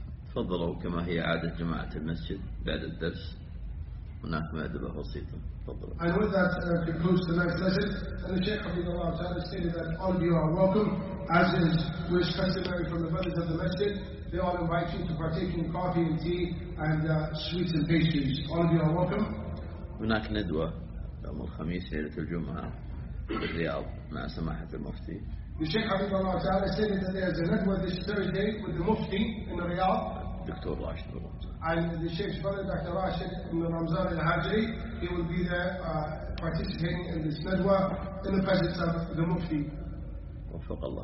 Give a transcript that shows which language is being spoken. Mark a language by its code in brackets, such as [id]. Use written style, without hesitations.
[ar] تفضلوا كما هي عادة جماعة المسجد بعد الدرس هناك مأدبة بسيطة. تفضلوا. [en] I heard that concludes the next lesson, and the Sheikh Abdullah Ta'ala stated that all of you are welcome, as is wish customary from the brothers of the masjid. They all invite you to partake in coffee and tea and sweets and pastries. All of you are welcome. [ar] هناك ندوة يوم الخميس ليلة الجمعة بالرياض مع سماحة المفتي. [en] The Sheikh Abdullah Ta'ala said that there is a ندوة this Thursday with the Mufti in Riyadh. Dr. Rashid Ramzan. And the Sheikh's brother, Dr. Rashid in Ramzan al-Hajri, he will be there participating in this ندوة in the presence of the Mufti. [ar] وفق الله